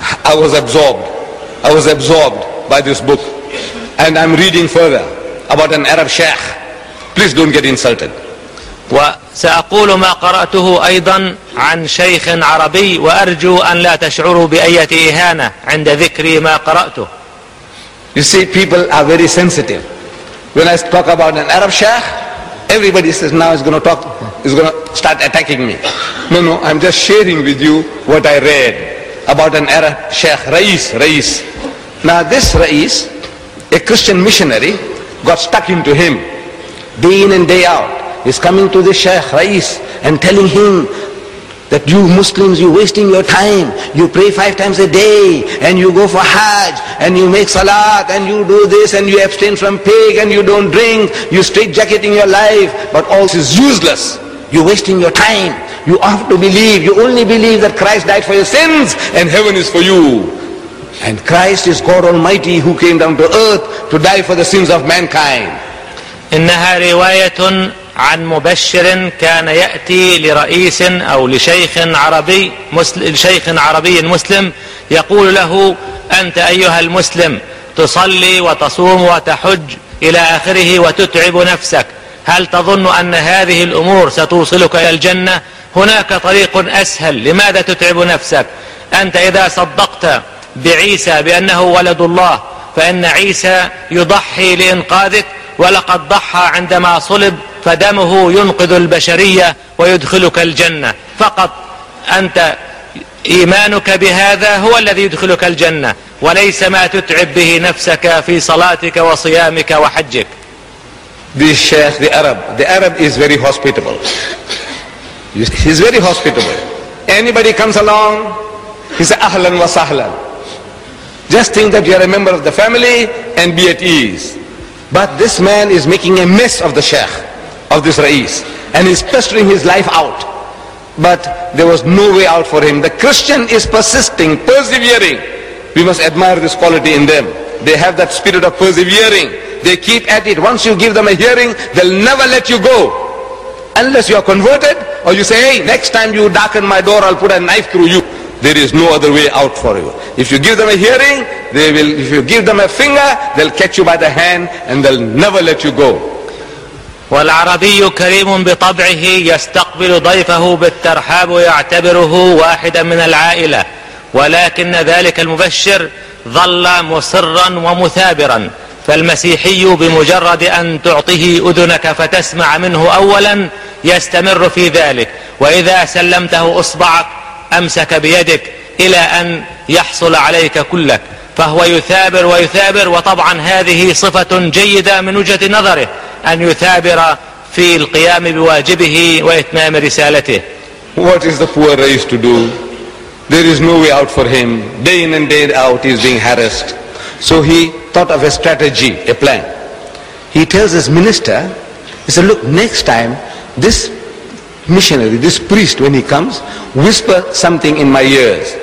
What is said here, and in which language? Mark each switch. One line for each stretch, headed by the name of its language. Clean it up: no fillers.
English: I was absorbed by this book, and I'm reading further about an Arab sheikh. Please don't get insulted.
Arabic: وسأقول ما قرأته أيضا عن شيخ عربي وأرجو أن لا تشعروا بأية إهانة عند ذكري ما قرأته.
English: You see, people are very sensitive. When I talk about an Arab sheikh, everybody says now he's going to start attacking me. No, I'm just sharing with you what I read about an Arab sheikh, Rais. Now this Rais, a Christian missionary, got stuck into him day in and day out. He's coming to the sheikh, Rais, and telling him that you Muslims, you're wasting your time. You pray 5 times a day and you go for Hajj and you make Salat and you do this and you abstain from pig and you don't drink. You straitjacketing your life, but all this is useless. You're wasting your time. You have to believe. You only believe that Christ died for your sins and heaven is for you. And Christ is God Almighty who came down to earth to die for the sins of mankind.
Arabic: إنها رواية عن مبشر كان يأتي لرئيس أو لشيخ عربي مسلم شيخ عربي مسلم يقول له أنت أيها المسلم تصلي وتصوم وتحج إلى آخره وتتعب نفسك هل تظن أن هذه الأمور ستوصلك إلى الجنة هناك طريق أسهل لماذا تتعب نفسك أنت إذا صدقت بعيسى بأنه ولد الله فإن عيسى يضحي لإنقاذك ولقد ضحى عندما صلب فدمه ينقذ البشرية ويدخلك الجنة فقط أنت إيمانك بهذا هو الذي يدخلك الجنة وليس ما تتعب به نفسك في صلاتك وصيامك وحجك.
English: This sheikh, the Arab is very hospitable. He's very hospitable. Anybody comes along, he says
Arabic: أهلاً وسهلاً.
English: Just think that you are a member of the family and be at ease. But this man is making a mess of the sheikh, of this Rais, and he's pestering his life out. But there was no way out for him. The Christian is persisting, persevering. We must admire this quality in them. They have that spirit of persevering. They keep at it. Once you give them a hearing, they'll never let you go. Unless you are converted, or you say, hey, next time you darken my door, I'll put a knife through you. There is no other way out for you. If you give them a hearing, they will. If you give them a finger, they'll catch you by the hand and they'll never let you go.
Arabic: والعربي كريم بطبعه يستقبل ضيفه بالترحاب ويعتبره واحدا من العائلة ولكن ذلك المبشر ظل مصرا ومثابرا فالمسيحي بمجرد أن تعطيه أذنك فتسمع منه أولا يستمر في ذلك، وإذا سلمته أصبعك أمسك بيدك إلى أن يحصل عليك كلك، فهو يثابر ويثابر. وطبعا هذه صفة جيدة من وجهة نظره أن يثابر في القيام بواجبه وإتمام رسالته.
English: What is the poor race to do? There is no way out for him. Day in and day out he is being harassed. So he thought of a strategy, a plan. He tells his minister, he said, look, next time this missionary, this priest, when he comes, whisper something in my ears.